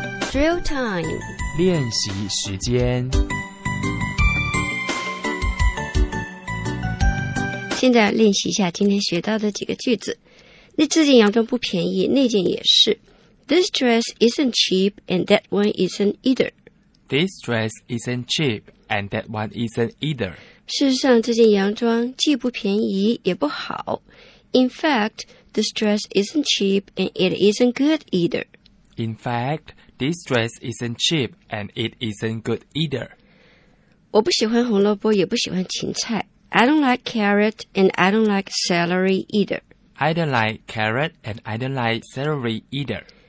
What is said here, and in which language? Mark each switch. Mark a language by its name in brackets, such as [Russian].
[English] Drill time. [Chinese] 练习时间。现在练习一下今天学到的几个句子。那这件洋装不便宜，那件也是。 [English] This dress isn't cheap and that one isn't either. This dress isn't cheap and that one isn't either. [Chinese] 事实上，这件洋装既不便宜也不好。 [English] In fact, this dress isn't cheap and it isn't good either. In fact,This dress isn't cheap and it isn't good either. [Chinese] 我不喜欢红萝卜，也不喜欢芹菜。 [English] I don't like carrot and I don't like celery either. I don't like carrot and I don't like celery either.